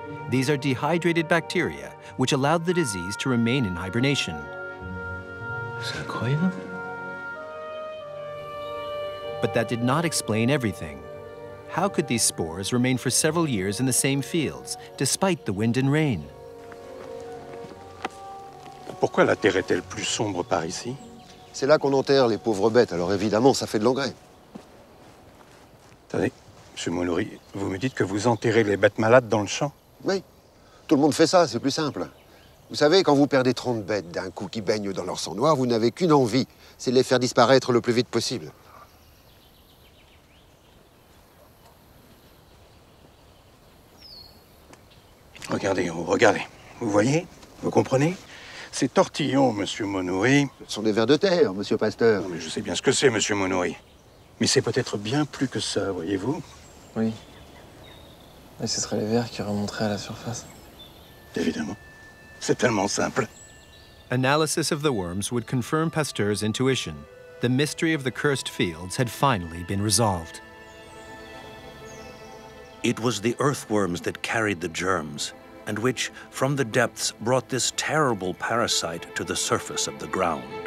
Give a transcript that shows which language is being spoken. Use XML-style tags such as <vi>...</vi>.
<en>These are dehydrated bacteria, which allowed the disease to remain in hibernation.</en> <fr>C'est incroyable.</fr> <en>But that did not explain everything. How could these spores remain for several years in the same fields, despite the wind and rain?</en> <fr>Pourquoi la terre est-elle plus sombre par ici? C'est là qu'on enterre les pauvres bêtes, alors évidemment, ça fait de l'engrais. Attendez, monsieur Monori, vous me dites que vous enterrez les bêtes malades dans le champ? Oui, tout le monde fait ça, c'est plus simple. Vous savez, quand vous perdez 30 bêtes d'un coup qui baignent dans leur sang noir, vous n'avez qu'une envie, c'est de les faire disparaître le plus vite possible. Regardez, regardez, vous voyez, vous comprenez? Ces tortillons, monsieur Monori... Ce sont des vers de terre, monsieur Pasteur. Mais je sais bien ce que c'est, monsieur Monori. Mais c'est peut-être bien plus que ça, voyez-vous? Oui. Mais ce seraient les vers qui remonteraient à la surface. Évidemment. C'est tellement simple.</fr> <en>Analysis of the worms would confirm Pasteur's intuition. The mystery of the cursed fields had finally been resolved. It was the earthworms that carried the germs, and which, from the depths, brought this terrible parasite to the surface of the ground.</en>